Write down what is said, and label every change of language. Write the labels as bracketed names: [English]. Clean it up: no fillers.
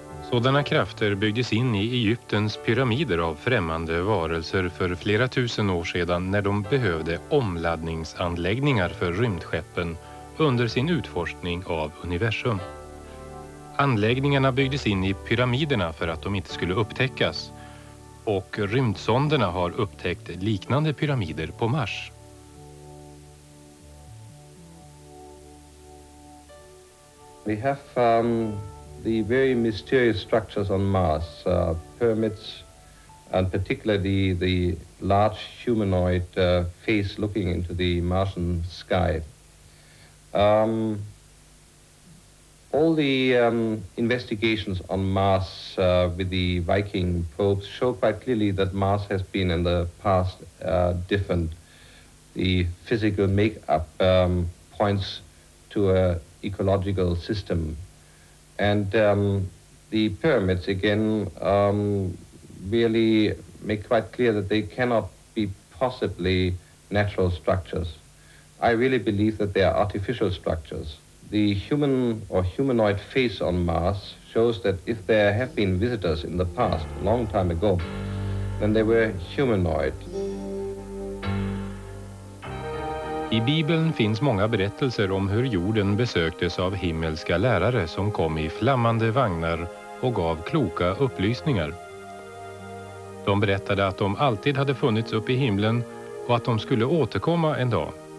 [Swedish] Sådana krafter byggdes in i Egyptens pyramider av främmande varelser för flera tusen år sedan när de behövde omladdningsanläggningar för rymdskeppen under sin utforskning av universum. Anläggningarna byggdes in i pyramiderna för att de inte skulle upptäckas, och rymdsonderna har upptäckt liknande pyramider på Mars. [English] We have the very mysterious structures on Mars, pyramids, and particularly the large humanoid face looking into the Martian sky. All the investigations on Mars with the Viking probes show quite clearly that Mars has been in the past different the physical makeup points to a ecological system. And the pyramids, again, really make quite clear that they cannot be possibly natural structures. I really believe that they are artificial structures. The human or humanoid face on Mars shows that if there have been visitors in the past, a long time ago, then they were humanoid. [Swedish] I Bibeln finns många berättelser om hur jorden besöktes av himmelska lärare som kom i flammande vagnar och gav kloka upplysningar. De berättade att de alltid hade funnits upp i himlen och att de skulle återkomma en dag.